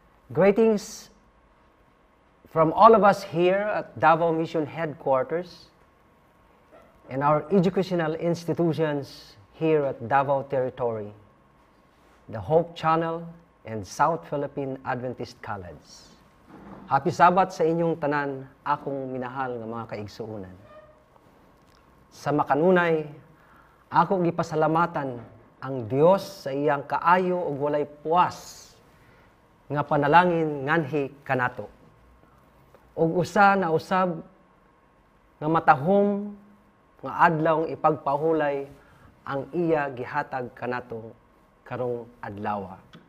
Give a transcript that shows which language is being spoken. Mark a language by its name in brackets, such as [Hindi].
[English] Greetings from all of us here at Davao Mission Headquarters and our educational institutions here at Davao Territory, the Hope Channel and South Philippine Adventist College. Happy Sabbath [Cebuano] sa inyong tanan, akong minahal ng mga kaigsuunan. Sa makanunay, ako gipasalamatan ang Dios sa iyang kaayo ug walay puwas nga panalangin nganhi kanato. Ug usa na usab nga matahom nga adlawng ipagpahulay ang iya gihatag kanato karong adlawa.